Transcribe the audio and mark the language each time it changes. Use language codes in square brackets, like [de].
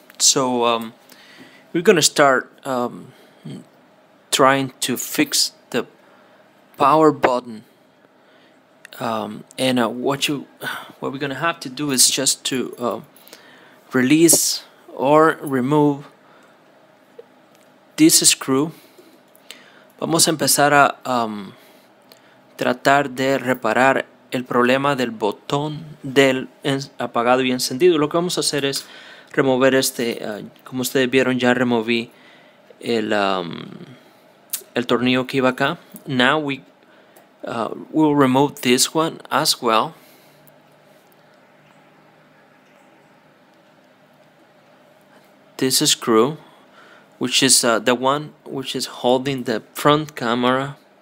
[en] So we're gonna start trying to fix the power button. What we're gonna have to do is just to release or remove this screw. [es] Vamos a empezar a tratar de reparar el problema del botón del apagado y encendido. Lo que vamos a hacer es remover este, como ustedes vieron, ya removí el tornillo que iba acá. [en] Now we will remove this one as well. This screw, which is the one which is holding the front camera.